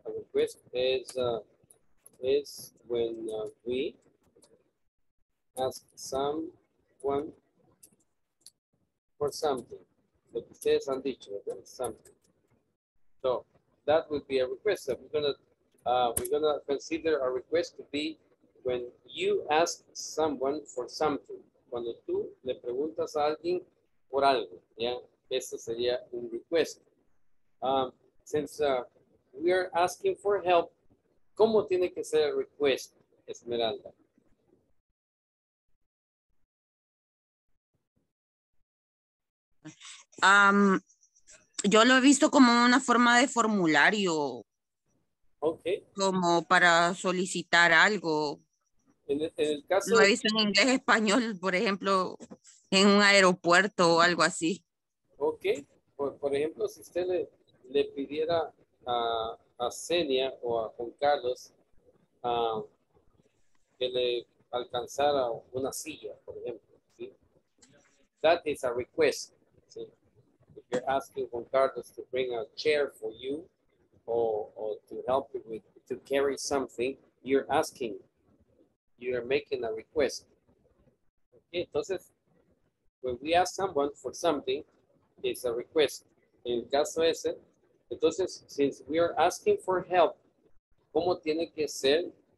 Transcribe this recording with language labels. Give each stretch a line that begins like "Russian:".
English: A request is when we ask someone for something.
Spanish: Lo que ustedes han dicho, ¿verdad?
English: Something. So that would be a request. So we're gonna consider a request to be when you ask someone for something.
Spanish: Cuando tú le preguntas a alguien por algo, ¿ya? Eso sería un request.
English: Since we are asking for help,
Spanish: ¿cómo tiene que ser el request, Esmeralda? Yo lo he visto como una forma de formulario.
English: Okay.
Spanish: Como para solicitar algo. En el caso lo he visto en inglés español, por ejemplo, en un aeropuerto o algo así. Ok, por ejemplo, si usted le pidiera a Xenia o a Juan Carlos que le alcanzara una silla, por ejemplo, ¿sí?
English: That is a request, ¿sí? If you're asking Juan Carlos to bring a chair for you or to help you with to carry something, you're asking. You are making a request. Okay, entonces, when we ask someone for something, it's a request.
Spanish: En el caso ese, entonces,
English: since we are asking for help,
Spanish: ¿cómo tiene que ser